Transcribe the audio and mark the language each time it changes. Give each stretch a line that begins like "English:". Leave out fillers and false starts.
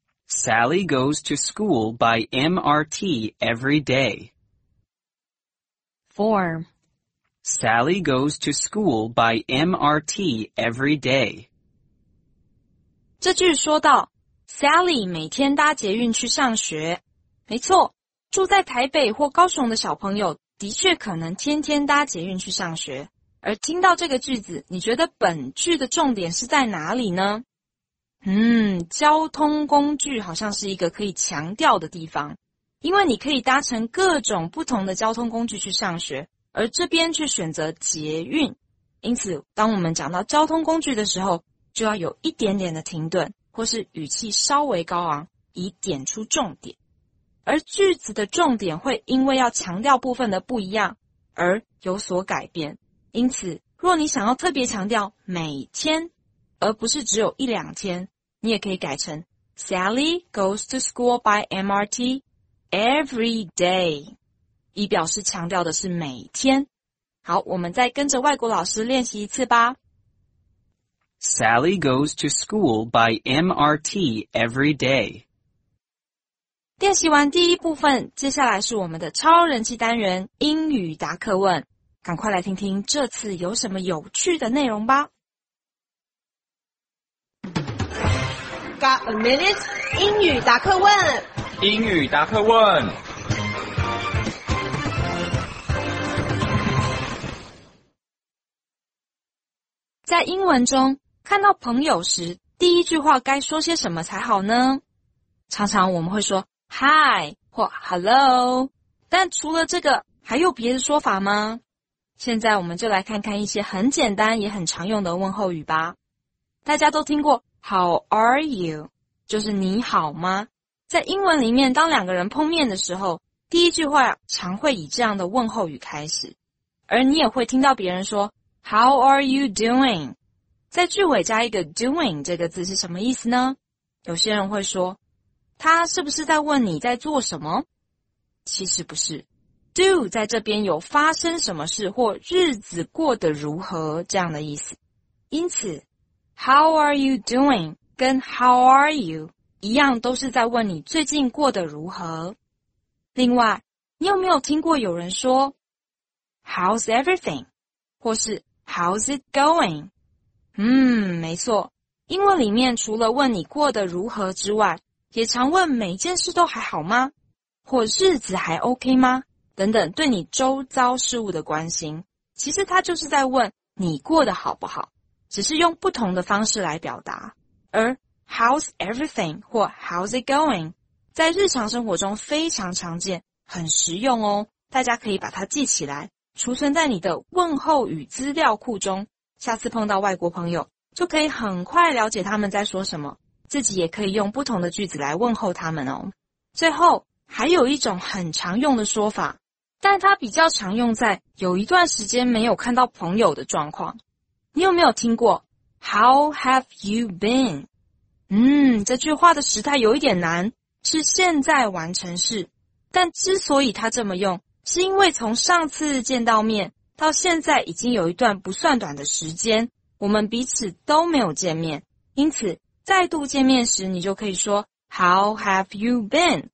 English: Sally goes to school by MRT every day. 4. Sally goes to school by MRT every day.
Chinese: 这句说到 Sally 每天搭捷运去上学。没错，住在台北或高雄的小朋友的确可能天天搭捷运去上学。而听到这个句子，你觉得本句的重点是在哪里呢？交通工具好像是一个可以强调的地方，因为你可以搭乘各种不同的交通工具去上学，而这边却选择捷运。因此，当我们讲到交通工具的时候，就要有一点点的停顿，或是语气稍微高昂，以点出重点。而句子的重点会因为要强调部分的不一样而有所改变。因此，若你想要特别强调每天，而不是只有一两天，你也可以改成
English: Sally goes to school by MRT every day，
Chinese: 以表示强调的是每天。好，我们再跟着外国老师练习一次吧。
English: Sally goes to school by MRT every day。
Chinese: 练习完第一部分，接下来是我们的超人气单元英语答客问，赶快来听听这次有什么有趣的内容吧。
English: Got a minute?
Chinese: 英语答客问。英语答客问。在英文中，看到朋友时，第一句话该说些什么才好呢？常常我们会说 Hi 或 Hello， 但除了这个，还有别的说法吗？现在我们就来看看一些很简单也很常用的问候语吧。大家都听过
English: How are you?
Chinese: 就是你好吗？在英文里面，当两个人碰面的时候，第一句话常会以这样的问候语开始。而你也会听到别人说
English: How are you doing?
Chinese: 在句尾加一个 doing 这个字是什么意思呢？有些人会说，他是不是在问你在做什么？其实不是。 Do 在这边有发生什么事或日子过得如何这样的意思。
English: 因此How are you doing? 跟 How are you?
Chinese: 一样都是在问你最近过得如何。另外，你有没有听过有人说
English: How's everything? 或是 How's it going?
Chinese: 没错。英文里面除了问你过得如何之外，也常问每件事都还好吗？或日子还 OK 吗？等等对你周遭事物的关心。其实它就是在问你过得好不好。只是用不同的方式来表达，而
English: How's everything
Chinese: 或
English: How's it going
Chinese: 在日常生活中非常常见，很实用哦。大家可以把它记起来，储存在你的问候语资料库中，下次碰到外国朋友就可以很快了解他们在说什么，自己也可以用不同的句子来问候他们哦。最后还有一种很常用的说法，但它比较常用在有一段时间没有看到朋友的状况。你有没有听过
English: How have you been?
Chinese: 这句话的时态有一点难，是现在完成式。但之所以它这么用，是因为从上次见到面到现在已经有一段不算短的时间，我们彼此都没有见面。因此再度见面时，你就可以说
English: How have you been?